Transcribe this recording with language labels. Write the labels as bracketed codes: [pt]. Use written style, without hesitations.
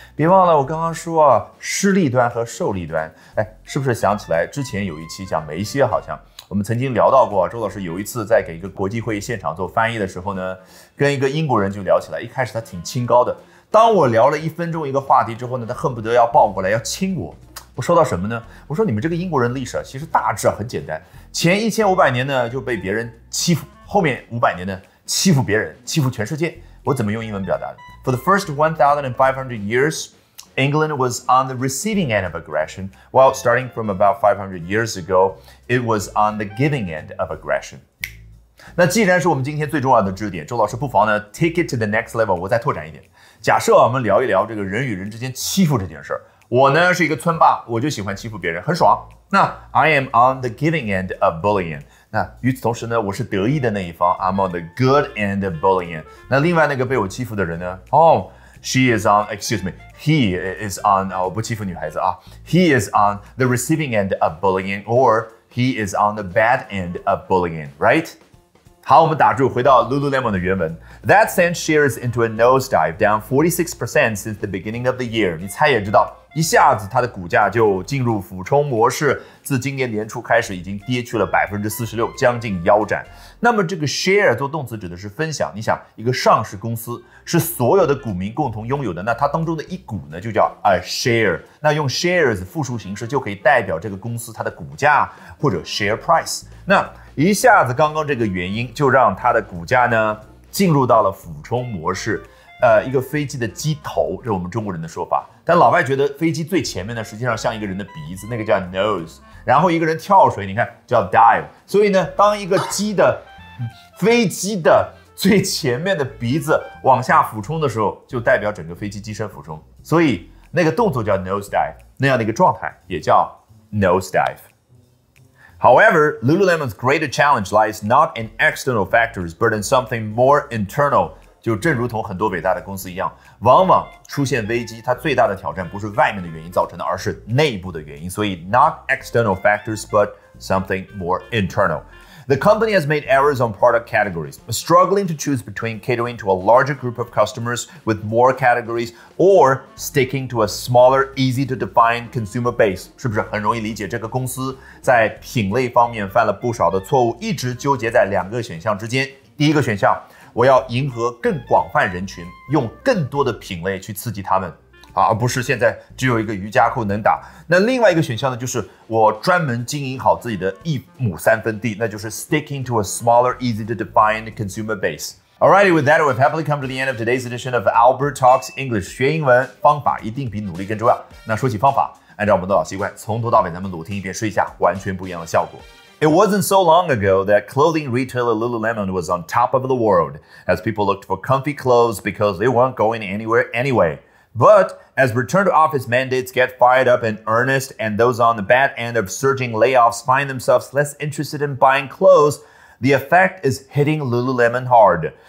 [zh] 别忘了我刚刚说啊，失利端和受利端，哎，是不是想起来之前有一期讲梅西，好像我们曾经聊到过，周老师有一次在给一个国际会议现场做翻译的时候呢，跟一个英国人就聊起来，一开始他挺清高的，当我聊了一分钟一个话题之后呢，他恨不得要抱过来要亲我。我说到什么呢？我说你们这个英国人历史其实大致很简单，前1500年呢就被别人欺负，后面500年呢欺负别人，欺负全世界。我怎么用英文表达的 [en] ？For the first 1,500 years, England was on the receiving end of aggression, while starting from about 500 years ago, it was on the giving end of aggression. [zh] 那既然是我们今天最重要的知识点，周老师不妨呢 [en] take it to the next level， [zh] 我再拓展一点。假设我们聊一聊这个人与人之间欺负这件事，我呢是一个村霸，我就喜欢欺负别人，很爽。 [en] 那 I am on the giving end of bullying。 [zh] 那与此同时呢，我是得意的那一方， [en] I'm on the good end of bullying。 [zh] 那另外那个被我欺负的人呢？ [en] 哦、oh, ，she is on， excuse me， he is on， [zh] 我不欺负女孩子啊， [en] he is on the receiving end of bullying， or he is on the bad end of bullying， right？ [zh] 好，我们打住，回到 Lululemon 的原文。 [en] That sent shares into a nosedive, down 46% since the beginning of the year. [zh] 你猜也知道，一下子它的股价就进入俯冲模式，自今年年初开始已经跌去了 46%， 将近腰斩。那么这个 share 做动词指的是分享，你想一个上市公司是所有的股民共同拥有的，那它当中的一股呢就叫 a share， 那用 shares 复数形式就可以代表这个公司它的股价或者 share price。那一下子刚刚这个原因就让它的股价呢进入到了俯冲模式，一个飞机的机头，这是我们中国人的说法，但老外觉得飞机最前面呢实际上像一个人的鼻子，那个叫 nose， 然后一个人跳水你看叫 dive。所以呢当一个机的飞机的最前面的鼻子往下俯冲的时候，就代表整个飞机机身俯冲，所以那个动作叫 nose dive， 那样的一个状态也叫 nose dive。 [en] However, Lululemon's greater challenge lies not in external factors, but in something more internal. [zh] 就正如同很多伟大的公司一样，往往出现危机，它最大的挑战不是外面的原因造成的，而是内部的原因。所以 [en] not external factors, but something more internal. The company has made errors on product categories, struggling to choose between catering to a larger group of customers with more categories or sticking to a smaller, easy to define consumer base. [zh] 是不是很容易理解这个公司在品类方面犯了不少的错误，一直纠结在两个选项之间。第一个选项，我要迎合更广泛人群，用更多的品类去刺激他们，而不是现在只有一个瑜伽裤能打。那另外一个选项呢，就是我专门经营好自己的一亩三分地，那就是 [en] sticking to a smaller, easy to define consumer base. Alrighty, with that, we've happily come to the end of today's edition of Albert Talks English. [zh] 学英文方法一定比努力更重要。那说起方法，按照我们的老习惯，从头到尾咱们努听一遍，试一下完全不一样的效果。 [en] It wasn't so long ago that clothing retailer Lululemon was on top of the world as people looked for comfy clothes because they weren't going anywhere anyway. But as return to office mandates get fired up in earnest and those on the bad end of surging layoffs find themselves less interested in buying clothes, the effect is hitting Lululemon hard.